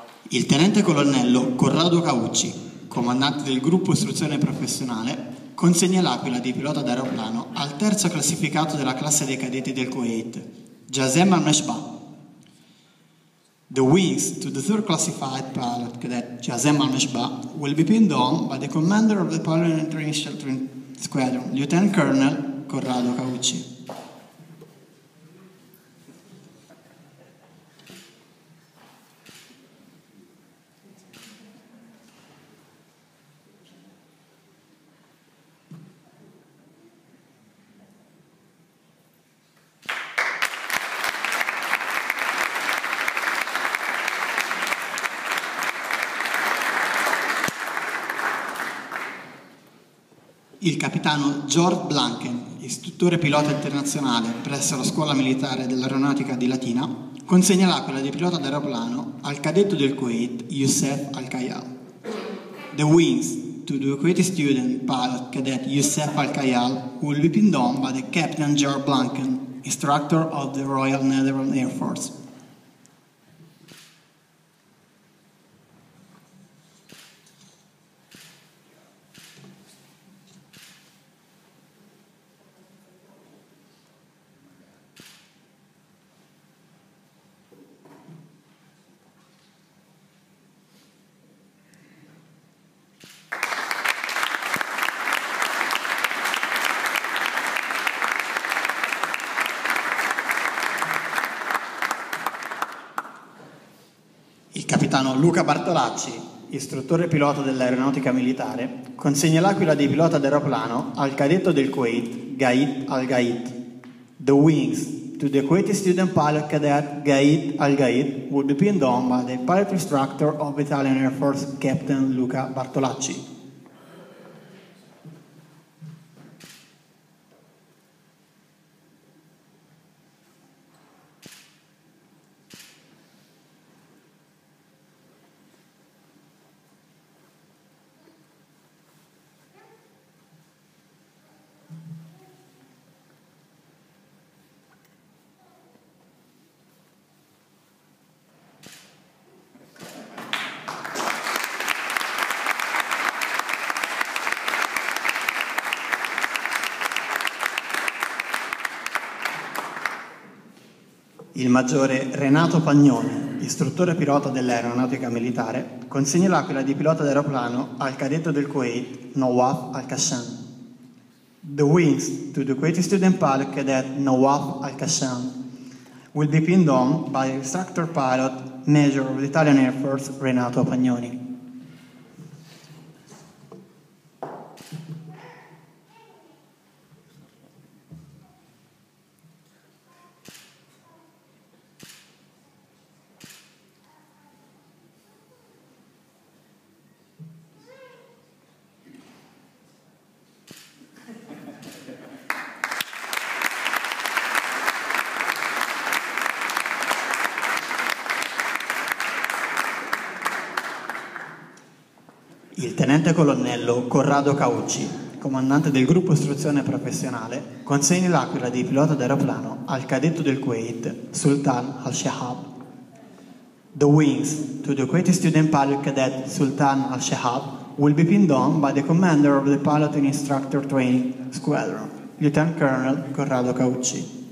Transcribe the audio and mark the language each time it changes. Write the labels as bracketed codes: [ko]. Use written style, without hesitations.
[it] Il tenente colonnello Corrado Caucci, comandante del gruppo istruzione professionale, consegna l'aquila di pilota d'aeroplano al terzo classificato della classe dei cadetti del Kuwait, Jazem Amneshba. [en] The wings to the third classified pilot cadet Jazem Amneshba will be pinned on by the commander of the pilot and training sheltering squadron, Lieutenant Colonel Corrado Caucci. [it] Il capitano George Blanken, istruttore pilota internazionale presso la Scuola Militare dell'Aeronautica di Latina, consegna l'aquila di pilota d'aeroplano al cadetto del Kuwait, Youssef Al-Kayal. [en] The wings to the Kuwaiti student pilot cadet Youssef Al-Kayal will be pinned on by the Captain George Blanken, instructor of the Royal Netherlands Air Force. [it] Capitano Luca Bartolacci, istruttore pilota dell'aeronautica militare, consegna l'aquila di pilota d'aeroplano al cadetto del Kuwait, Gaid Al-Gaid. [en] The wings to the Kuwaiti student pilot cadet Gaid Al-Gaid will be pinned on by the pilot instructor of Italian Air Force, Captain Luca Bartolacci. [it] Il maggiore Renato Pagnone, istruttore pilota dell'aeronautica militare, consegna l'aquila di pilota d'aeroplano al cadetto del Kuwait, Nawaf Al-Kashan. [en] The wings to the Kuwaiti student pilot cadet Nawaf Al-Kashan will be pinned on by instructor pilot Major of the Italian Air Force Renato Pagnoni. [it] Tenente colonnello Corrado Caucci, comandante del gruppo istruzione professionale, consegna l'aquila di pilota d'aeroplano al cadetto del Kuwait, Sultan Al-Shahab. [en] The wings to the Kuwaiti student pilot cadet Sultan Al-Shahab will be pinned on by the commander of the pilot and instructor training squadron, Lieutenant Colonel Corrado Caucci.